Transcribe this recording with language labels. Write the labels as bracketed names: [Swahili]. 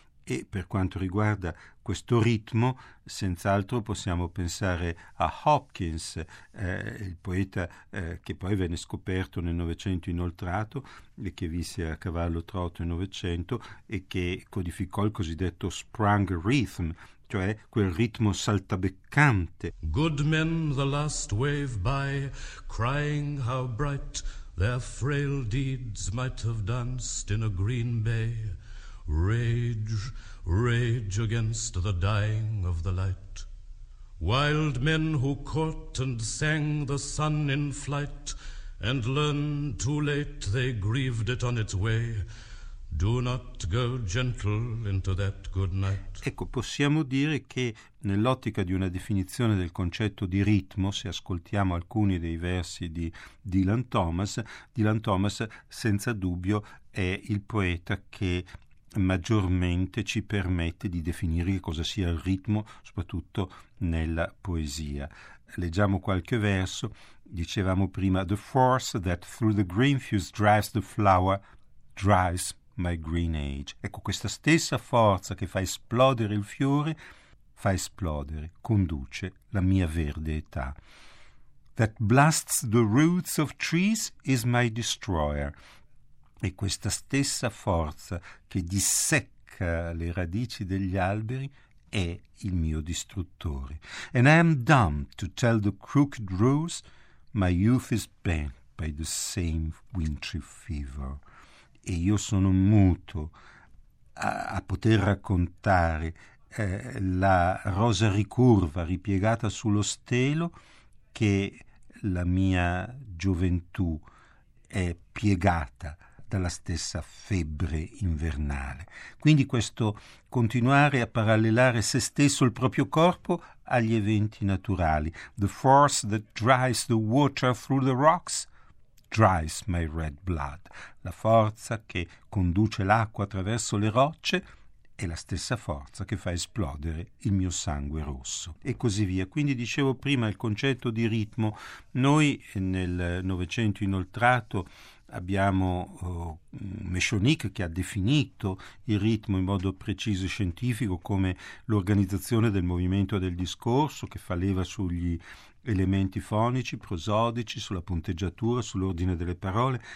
[Italian] E per quanto riguarda questo ritmo, senz'altro possiamo pensare a Hopkins, il poeta che poi venne scoperto nel Novecento inoltrato e che visse a cavallo tra 8 e 900 e che codificò il cosiddetto sprung rhythm, cioè quel ritmo saltabeccante. [English] Good men the last wave by, crying how bright their frail deeds might have danced in a green bay. Rage, rage against the dying of the light. Wild men who caught and sang the sun in flight, and learned too late they grieved it on its way. Do not go gentle into that good night. [Italian] Ecco, possiamo dire che nell'ottica di una definizione del concetto di ritmo, se ascoltiamo alcuni dei versi di Dylan Thomas senza dubbio è il poeta che maggiormente ci permette di definire cosa sia il ritmo, soprattutto nella poesia. Leggiamo qualche verso. Dicevamo prima: [English] the force that through the green fuse drives the flower drives my green age. [Italian] Ecco, questa stessa forza che fa esplodere il fiore fa esplodere, conduce la mia verde età. [English] That blasts the roots of trees is my destroyer. [Italian] E questa stessa forza che dissecca le radici degli alberi è il mio distruttore. [English] And I am dumb to tell the crooked rose my youth is bent by the same wintry fever. [Italian] E io sono muto a poter raccontare la rosa ricurva ripiegata sullo stelo che la mia gioventù è piegata dalla stessa febbre invernale. Quindi questo continuare a parallelare se stesso, il proprio corpo, agli eventi naturali. [English] The force that drives the water through the rocks drives my red blood. [Italian] La forza che conduce l'acqua attraverso le rocce è la stessa forza che fa esplodere il mio sangue rosso. E così via. Quindi dicevo prima il concetto di ritmo. Noi nel Novecento inoltrato abbiamo Mechonic che ha definito il ritmo in modo preciso e scientifico come l'organizzazione del movimento del discorso che fa leva sugli elementi fonici, prosodici, sulla punteggiatura, sull'ordine delle parole.